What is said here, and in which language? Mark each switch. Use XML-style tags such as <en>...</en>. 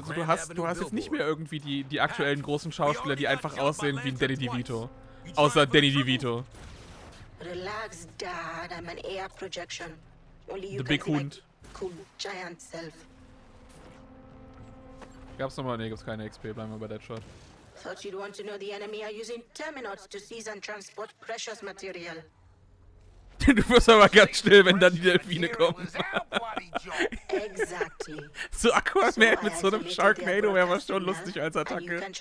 <de>Du hast jetzt nicht mehr irgendwie die aktuellen großen Schauspieler, die einfach aussehen wie ein Danny DeVito. Außer Danny DeVito.</de> <en>Relax, Dad, I'm an AI projection. The Big Hund. Giant self.</en> <de>Gab's nochmal? Ne, gibt's keine XP, bleiben wir bei Deadshot.</de> <en>Thought you'd want to know the enemy are using terminals to seize and transport precious material.</en> <de>Du wirst aber ganz still, wenn dann die Delfine kommen.</de> <en>Exactly.</en> <de>So Aquaman mit so einem Sharknado wäre was schon lustig als Attacke.</de>